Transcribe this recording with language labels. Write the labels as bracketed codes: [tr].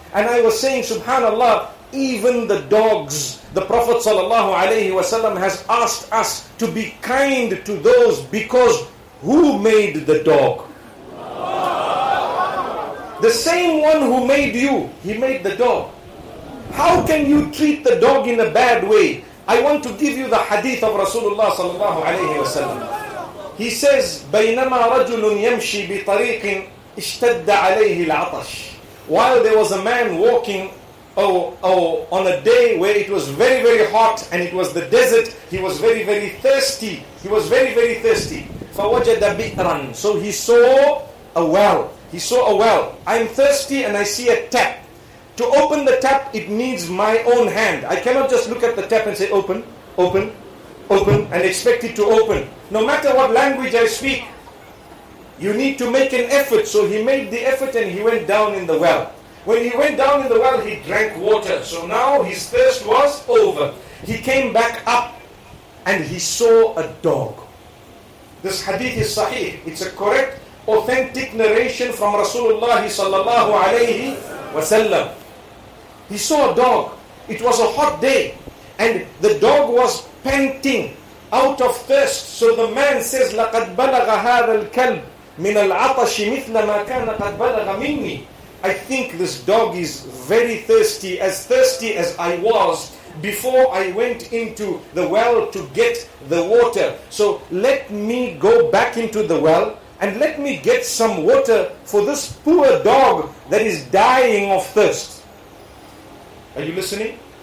[en] And I was saying, subhanallah, even the dogs, the Prophet sallallahu alayhi wasallam has asked us to be kind to those, because who made the dog? The same one who made you, he made the dog. How can you treat the dog in a bad way? I want to give you the hadith of Rasulullah sallallahu alayhi wasallam. He says, [ar] بَيْنَمَا رَجُلٌ يَمْشِي بِطَرِيقٍ اشْتَدَّ عَلَيْهِ الْعَطَشِ. [en] While there was a man walking on a day where it was very, very hot and it was the desert, he was very, very thirsty. He was very, very thirsty. [ar] فَوَجَدَ بِئْرًا. [en] So he saw a well. He saw a well. I'm thirsty and I see a tap. To open the tap, it needs my own hand. I cannot just look at the tap and say, open, open, open, and expect it to open. No matter what language I speak, you need to make an effort. So he made the effort and he went down in the well. When he went down in the well, he drank water. So now his thirst was over. He came back up and he saw a dog. This hadith is sahih. It's a correct, authentic narration from Rasulullah sallallahu alayhi wasallam. He saw a dog. It was a hot day and the dog was panting out of thirst. So the man says, [ar] لَقَدْ بَلَغَ هَذَا الْكَلْبِ مِنَ الْعَطَشِ مِثْلَ مَا كَانَ قَدْ بَلَغَ مِنِّي. [en] I think this dog is very thirsty as I was before I went into the well to get the water. So let me go back into the well and let me get some water for this poor dog that is dying of thirst. Are you listening?